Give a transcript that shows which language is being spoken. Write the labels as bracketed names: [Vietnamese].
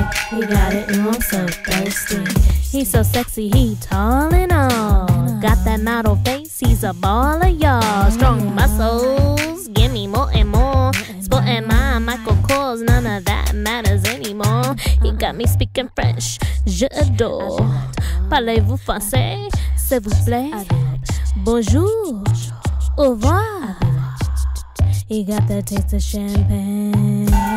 [English] He got it, and I'm so thirsty. He's so sexy, he tall and all. Got that model face, he's a baller, y'all. Strong muscles, give me more and more. Sporting my Michael Kors, none of that matters anymore. He got me speaking French, [French] je adore. Parlez-vous français, s'il vous plaît? Bonjour, au revoir. [English] He got the taste of champagne.